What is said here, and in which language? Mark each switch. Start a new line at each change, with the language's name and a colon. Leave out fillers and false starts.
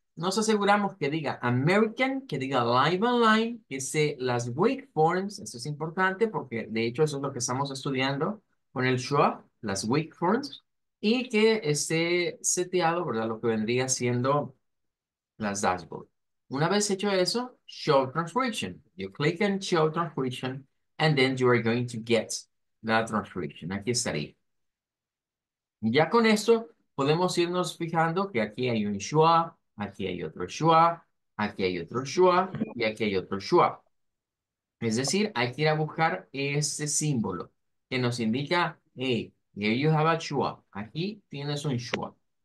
Spanish: Nos aseguramos que diga American, que diga live online, que sea las waveforms. Esto es importante porque de hecho eso es lo que estamos estudiando con el Schwab, las waveforms, y que esté seteado, ¿verdad? Lo que vendría siendo las dashboard. Una vez hecho eso, show transcription.
English: You click and show transcription, and then you are going to get that transcription.
Spanish: Aquí estaría. Ya con esto podemos irnos fijando que aquí hay un schwa, aquí hay otro schwa, aquí hay otro schwa y aquí hay otro schwa. Es decir, hay que ir a buscar ese símbolo que nos indica, hey,
English: here you have a schwa,
Spanish: aquí tienes un schwa.